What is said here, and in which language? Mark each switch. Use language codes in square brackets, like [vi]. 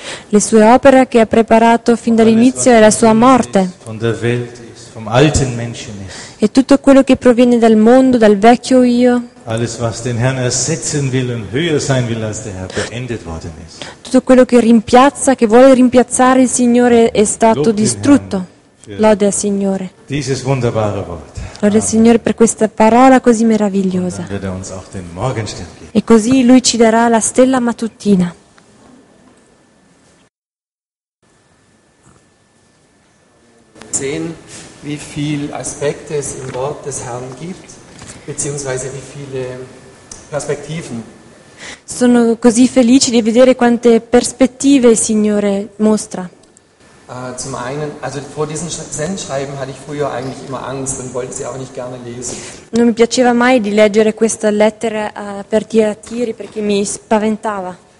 [it] Le sue opere che ha preparato fin dall'inizio è la sua morte. E tutto quello che proviene dal mondo, dal vecchio io. [de] Alles was den Herrn ersetzen will und höher sein will als der Herr beendet worden ist. [it] Tutto quello che rimpiazza, che vuole rimpiazzare il Signore è stato distrutto. Lode al Signore. [de] Dieses wunderbare Wort. [it] Lode al Signore per questa parola così meravigliosa. [de] Und dann wird er uns auch den Morgenstern geben. [it] E così lui ci darà la stella mattutina. [de] Sehen, wie viele Aspekte es im Wort des Herrn gibt, beziehungsweise wie viele Perspektiven. [it] Sono così felice di vedere quante prospettive il Signore mostra. [de] Zum einen, also vor diesen Sendschreiben hatte ich früher eigentlich immer Angst und wollte sie auch nicht gerne lesen. [it] Non mi piaceva mai di leggere questa lettera per Tiatiri perché mi spaventava.